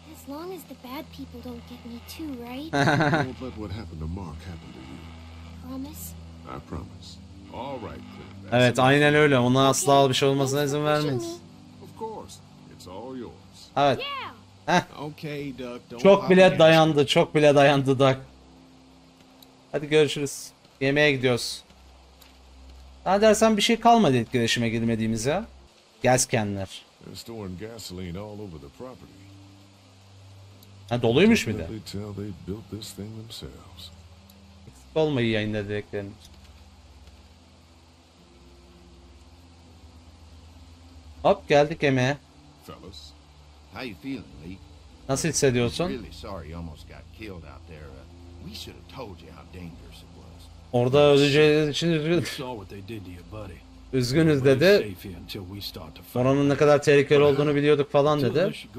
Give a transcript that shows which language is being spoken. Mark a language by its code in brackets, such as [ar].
[en] As long as the bad people don't get me too, right? Don't let what happened to Mark happen to you. Promise? I promise. All right, Clint. [tr] Evet, aynen öyle. Ona asla bir şey olmasına izin vermeyiz. [en] Of course. It's all yours. [tr] Evet. [en] Yeah. Okay, Duck. [tr] Çok bile dayandı. Çok bile dayandı Duck. Hadi görüşürüz. Yemeğe gidiyoruz. Daha dersen bir şey kalmadı etkileşime girmediğimiz ya. Gazkenler. [en] They're storing gasoline all over the property. [tr] Ha, doluymuş bir de. Eksik olmayı yayında dediklerimiz. Hop geldik yemeğe. [en] Fellas, how you feeling, Lee? [tr] Nasıl hissediyorsun? [en] Really sorry you almost got killed out there. We should have told you how dangerous it was. [tr] Orada öleceğiz için üzgünüz dedi. Oranın ne kadar tehlikeli olduğunu biliyorduk falan dedi.